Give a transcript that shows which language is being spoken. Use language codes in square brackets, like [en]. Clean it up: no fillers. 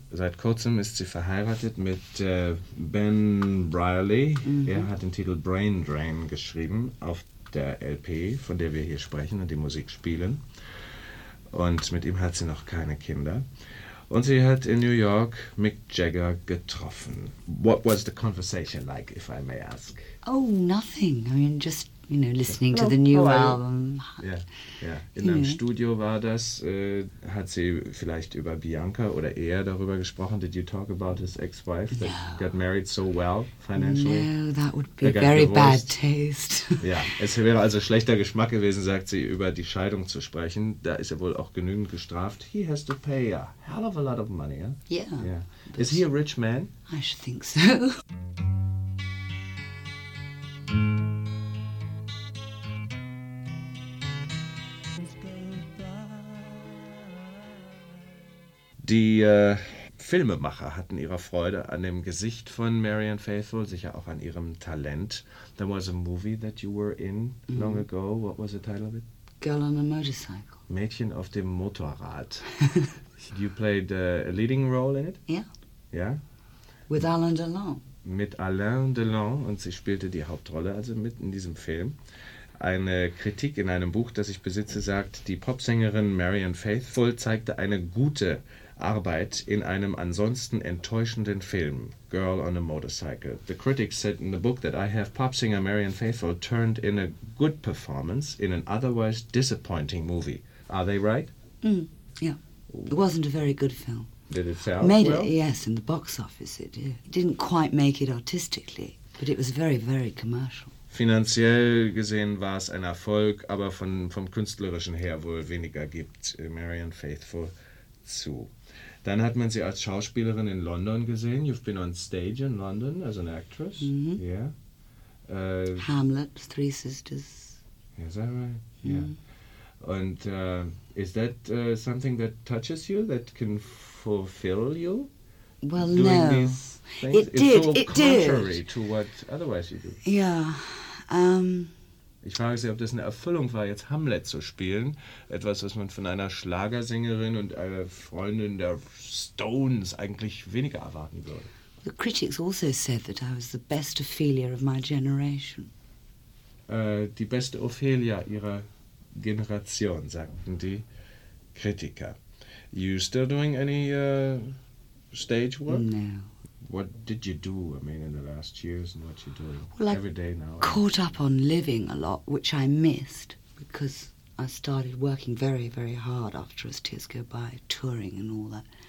[de] Seit kurzem ist sie verheiratet mit Ben Brawley. Mm-hmm. Er hat den Titel Brain Drain geschrieben auf der LP, von der wir hier sprechen und die Musik spielen. Und mit ihm hat sie noch keine Kinder. Und sie hat in New York Mick Jagger getroffen. [en] What was the conversation like, if I may ask? Oh, nothing. I mean, just, you know, listening to the new album. [de] Yeah. In einem Studio war das. Hat sie vielleicht über Bianca oder eher darüber gesprochen? [en] Did you talk about his ex-wife that got married so well financially? No, that would be very bad taste. [de] Ja, es wäre also schlechter Geschmack gewesen, sagt sie, über die Scheidung zu sprechen. Da ist er wohl auch genügend gestraft. [en] He has to pay a hell of a lot of money. Yeah. Yeah. Is he a rich man? I should think so. [de] Die Filmemacher hatten ihre Freude an dem Gesicht von Marianne Faithfull, sicher auch an ihrem Talent. [en] There was a movie that you were in long ago. What was the title of it? Girl on a Motorcycle. [de] Mädchen auf dem Motorrad. [en] You played a leading role in it? Yeah. Yeah? With Alain Delon. [de] Mit Alain Delon, und sie spielte die Hauptrolle, also mit in diesem Film. Eine Kritik in einem Buch, das ich besitze, sagt, die Popsängerin Marian Faithfull zeigte eine gute Arbeit in einem ansonsten enttäuschenden Film, Girl on a Motorcycle. [en] The critics said in the book that I have pop singer Marian Faithfull turned in a good performance in an otherwise disappointing movie. Are they right? Yeah. It wasn't a very good film. Did it sell Made well? It, yes, in the box office it did. It didn't quite make it artistically, but it was very, very commercial. [de] Finanziell gesehen war es ein Erfolg, aber vom künstlerischen her wohl weniger gibt Marian Faithfull zu. Dann hat man sie als Schauspielerin in London gesehen. [en] You've been on stage in London as an actress. Mm-hmm. Yeah. Hamlet, Three Sisters. Is that right? Mm-hmm. Yeah. And is that something that touches you, that can fulfill you? Well, doing no. It did. To what otherwise you do. Yeah. [de] Ich frage Sie, ob das eine Erfüllung war, jetzt Hamlet zu spielen. Etwas, was man von einer Schlagersängerin und einer Freundin der Stones eigentlich weniger erwarten würde. [en] The critics also said that I was the best Ophelia of my generation. [de] Die beste Ophelia ihrer Generation, sagten die Kritiker. [en] You still doing any stage work? No. What did you do, I mean, in the last years and what you're doing well, every day now? Caught up on living a lot, which I missed because I started working very, very hard after As Tears Go By, touring and all that.